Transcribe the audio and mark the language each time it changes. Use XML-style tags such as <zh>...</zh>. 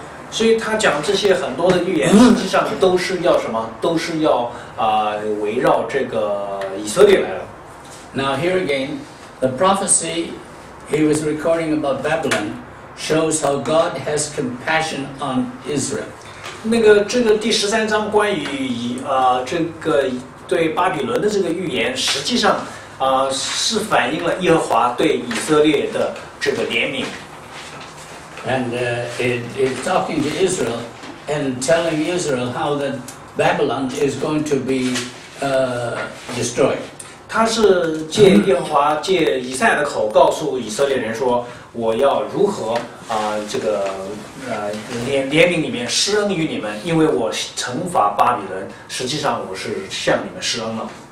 <zh>所以他讲这些很多的预言，实际上都是要什么？都是要围绕这个以色列来了。</zh> <en>Now here again, the prophecy he was recording about Babylon shows how God has compassion on Israel.</en> <zh>那个这个第十三章关于这个对巴比伦的这个预言，实际上是反映了耶和华对以色列的这个怜悯。</zh> <en>And it's talking to Israel and telling Israel how that Babylon is going to be destroyed.</en> <zh>他是借耶和华借以赛亚的口告诉以色列人说，我要如何这个怜悯里面施恩于你们，因为我惩罚巴比伦，实际上我是向你们施恩了。</zh>